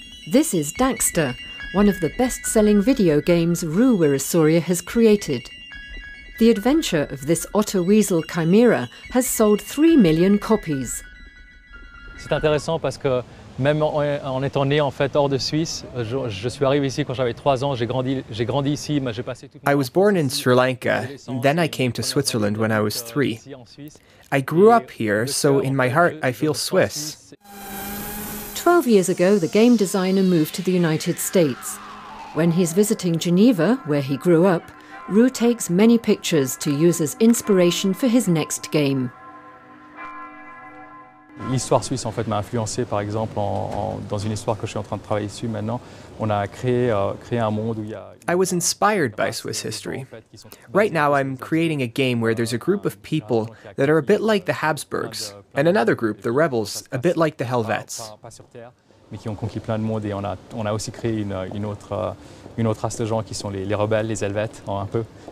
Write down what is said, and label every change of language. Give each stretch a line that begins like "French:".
English: This is Daxter, one of the best-selling video games Weerasuriya has created. The adventure of this otter weasel chimera has sold 3 million copies.
French: C'est intéressant parce que même en étant né en fait hors de Suisse, je suis arrivé ici quand j'avais 3 ans, j'ai grandi ici, mais j'ai passé toute
English: I was born in Sri Lanka, then I came to Switzerland when I was 3. I grew up here, so in my heart I feel Swiss. 12 years ago, the game designer moved to the United States. When he's visiting Geneva, where he grew up, Rue takes many pictures to use as inspiration for his next game.
French: L'histoire suisse en fait m'a influencé par exemple dans une histoire que je suis en train de travailler dessus maintenant. On a créé un monde où il y a.
English: I was inspired by Swiss history. Right now I'm creating a game where there's a group of people that are a bit like the Habsburgs and another group, the rebels, a bit like the Helvets.
French: Mais qui ont conquis plein de monde et on a aussi créé une autre race de gens qui sont les rebelles, les Helvets, un peu.